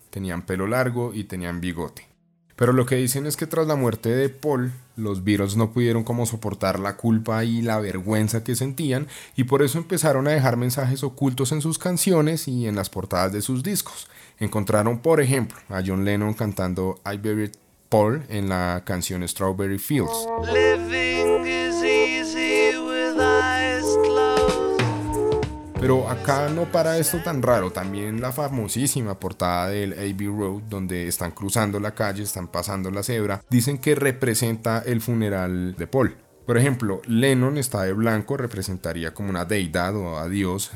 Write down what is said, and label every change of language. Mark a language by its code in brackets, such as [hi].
[es] Tenían pelo largo y tenían bigote. Pero lo que dicen es que tras la muerte de Paul, los Beatles no pudieron como soportar la culpa y la vergüenza que sentían, y por eso empezaron a dejar mensajes ocultos en sus canciones y en las portadas de sus discos. Encontraron, por ejemplo, a John Lennon cantando [en] I Buried Paul [es] en la canción Strawberry Fields. [en] Living is easy with eyes closed. [es] Pero acá no para esto tan raro, también la famosísima portada del Abbey Road, donde están cruzando la calle, están pasando la cebra, dicen que representa el funeral de Paul. Por ejemplo, Lennon está de blanco, representaría como una deidad o a Dios.